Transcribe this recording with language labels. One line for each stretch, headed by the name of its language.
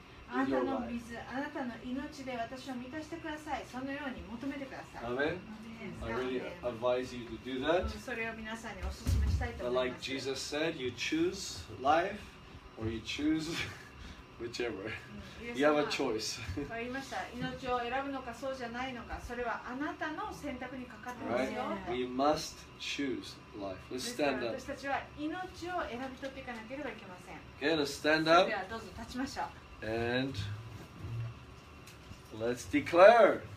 Japanese: あなたの水、あなたの命で私を満たしてください。そのように求めてください。
English: Amen. I really advise you to do that.
Japanese: それを皆さんにお勧めしたいと思います。
English: Like Jesus said, you choose life or you choose whichever. You have a choice.
Japanese: 言いました。命を選ぶのかそうじゃないのか、それはあなたの選択にかかってますよ。
English: We must choose. Life. Let's stand up.
Japanese: 私たちは命を選び取っていかなければいけません。
English: Okay, let's stand up.
Japanese: ではどうぞ立ちましょう。
English: And let's declare.